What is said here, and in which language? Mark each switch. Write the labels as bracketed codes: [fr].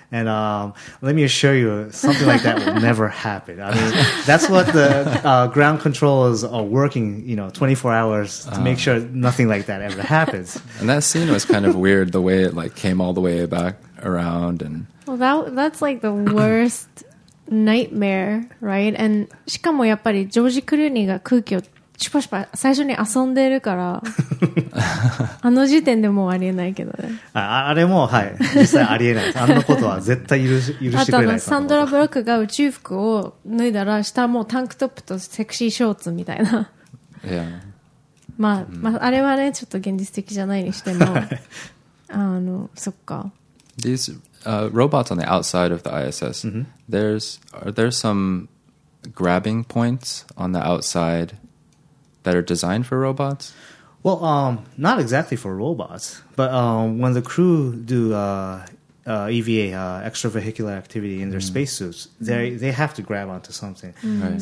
[en] And let me assure you, something like that will never happen. I mean, that's what the ground controllers are working, you know, 24 hours to make sure nothing like that ever happens. And that scene was kind of weird, the way it like came all the way back around. And well, that's like the worst nightmare, right? [ja] And しかもやっぱりジョージ・クルーニーが空気を最初に遊んでるから、あの時点でもうありえないけどね。あれも、はい、実際ありえない。あんなことは絶対許してくれない。あとサンドラ・ブロックが宇宙服を脱いだら、下もうタンクトップとセクシーショーツみたいな。いや。まあ、あれはね、ちょっと現実的じゃないにしても、そっか。 [en] These robots on the outside of the ISS,、mm-hmm. are there some grabbing points on the outside? That are designed for robots? Well, not exactly for robots, but when the crew do EVA, extravehicular activity in their spacesuits, they have to grab onto something. Mm. Right.